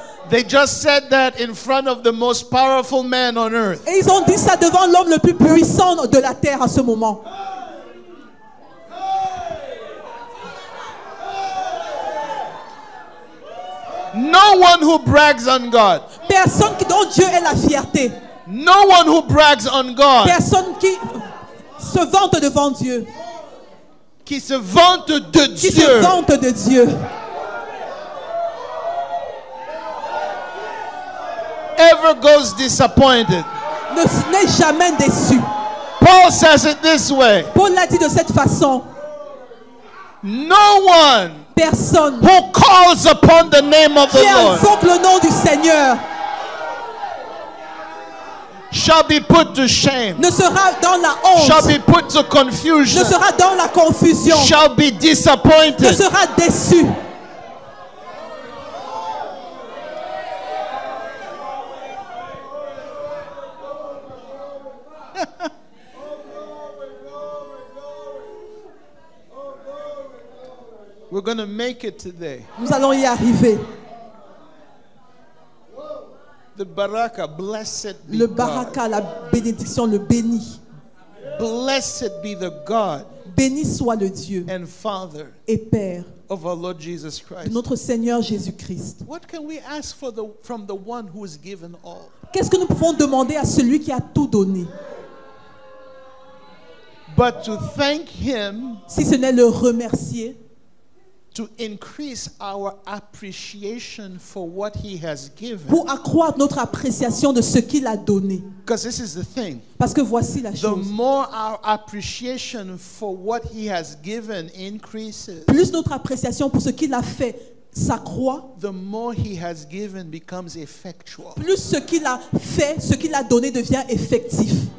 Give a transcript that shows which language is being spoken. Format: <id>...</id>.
<en>They just said that in front of the most powerful man on earth.</en> <fr>Et ils ont dit ça devant l'homme le plus puissant de la terre à ce moment. Hey! Hey!</fr> <en>No one who brags on God.</en> <fr>Personne dont Dieu est la fierté.</fr> <en>No one who brags on God.</en> <fr>Personne qui se vante devant Dieu. Qui se vante de Dieu. Qui se vante de Dieu.</fr> <en>Ever goes disappointed.</en> <fr>N'est jamais déçu.</fr> <en>Paul says it this way.</en> <fr>Paul l'a dit de cette façon.</fr> <en>No one.</en> <fr>Personne.</fr> <en>Who calls upon the name of the Lord.</en> <fr>Qui invoque le nom du Seigneur.</fr> <en>Shall be put to shame.</en> <fr>Ne sera dans la honte.</fr> <en>Shall be put to confusion.</en> <fr>Ne sera dans la confusion.</fr> <en>Shall be disappointed.</en> <fr>Ne sera déçu.</fr> <en>We're going to make it today.</en> <fr>Nous allons y arriver.</fr> <en>The baraka, blessed be</en> <fr>le baraka,</fr> <en>God.</en> <fr>La bénédiction, le béni.</fr> <en>Blessed be the God.</en> <fr>Béni soit le Dieu.</fr> <en>And Father.</en> <fr>Et Père.</fr> <en>Of our Lord Jesus Christ.</en> <fr>De notre Seigneur Jésus Christ.</fr> <en>What can we ask for the from the one who has given all?</en> <fr>Qu'est-ce que nous pouvons demander à celui qui a tout donné?</fr> <en>But to thank him.</en> <fr>Si ce n'est le remercier.</fr> <en>To increase our appreciation for what he has given.</en> <fr>Pour accroître notre appréciation de ce qu'il a donné.</fr> <en>Because this is the thing.</en> <fr>Parce que voici la chose.</fr> <en>The more our appreciation for what he has given increases.</en> <fr>Plus notre appréciation pour ce qu'il a fait s'accroît.</fr> <en>The more he has given becomes effectual.</en> <fr>Plus ce qu'il a fait, ce qu'il a donné devient effectif.</fr>